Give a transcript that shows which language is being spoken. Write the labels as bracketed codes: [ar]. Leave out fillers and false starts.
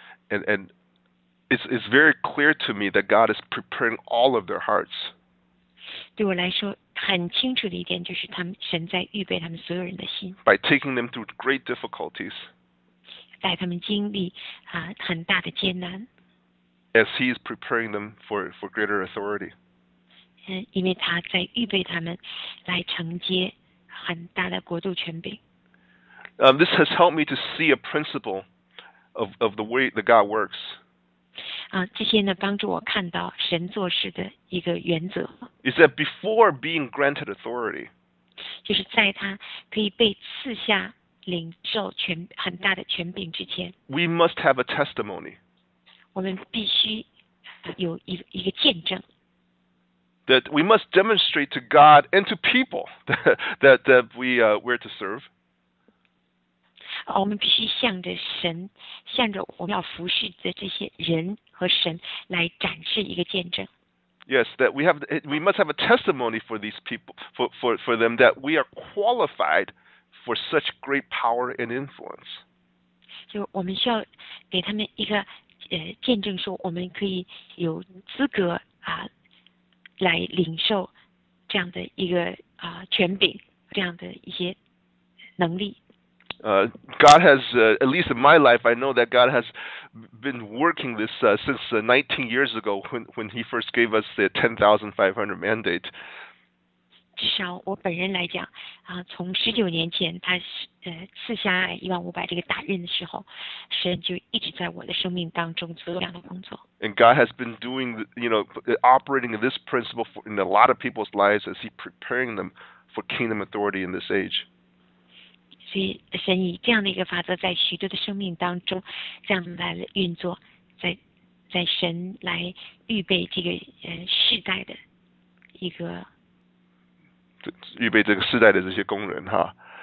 [en] And It's very clear to me that God is preparing all of their hearts. [zh] 对我来说，很清楚的一点就是他们神在预备他们所有人的心。 [en] By taking them through great difficulties. [zh] 带他们经历很大的艰难。 [en] As He is preparing them for greater authority. [zh] 因为他在预备他们来承接很大的国度权柄。 [en] This has helped me to see a principle of the way that God works. [zh] 这些呢帮助我看到神做事的一个原则。 [en] Is that before being granted authority? [zh] 就是在他可以被赐下领受权很大的权柄之前， [en] We must have a testimony. [zh] 我们必须有一个见证。 [en] That we must demonstrate to God and to people that we're to serve. [zh] 我们必须向着神，向着我们要服侍的这些人和神来展示一个见证。 [en] Yes, that we must have a testimony for these people, for them, that we are qualified for such great power and influence. [zh] 就我们需要给他们一个见证，说我们可以有资格啊，来领受这样的一个权柄，这样的一些能力。 [en] God has, at least in my life, I know that God has been working this since 19 years ago when he first gave us the 10,500 mandate. [zh] 至少我本人来讲，从19年前他赐下15,000这个大任的时候，神就一直在我的生命当中做这样的工作。 [en] And God has been doing, you know, operating this principle for, in a lot of people's lives as he preparing them for kingdom authority in this age. [zh] 所以神以这样的一个法则在许多的生命当中这样来运作，在神来预备这个世代的一个预备这个世代的这些工人哈。